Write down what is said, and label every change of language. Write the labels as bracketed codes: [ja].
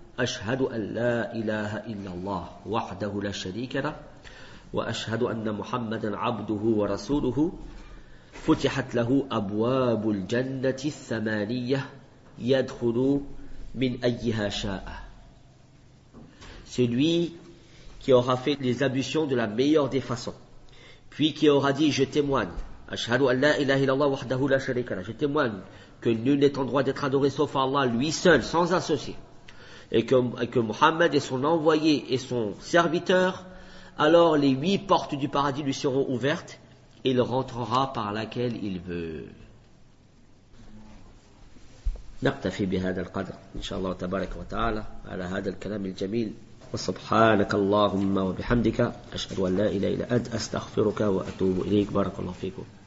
[ar] أشهد أن لا إله إلا الله وحده لا شريك له وأشهد أن محمدا عبده ورسوله فتحت له أبواب الجنة الثمانية يدخل من أيها شاء. [fr] Celui qui aura fait les ablutions de la meilleure des façons, puis qui aura dit je témoigne, [ar] أشهد أن لا إله إلا الله وحده لا شريك له, [fr] je témoigne que nul n'est en droit d'être adoré sauf Allah, lui seul, sans associé. Et que Mohammed est son envoyé et son serviteur, alors les 8 portes du paradis lui seront ouvertes et il rentrera par laquelle il veut. [ar] نكتفي بهذا القدر إن شاء الله تبارك وتعالى على هذا الكلام الجميل. وسبحانك اللهم وبحمدك أشهد أن لا إله إلا أنت أستغفرك وأتوب إليك. بارك الله فيكم.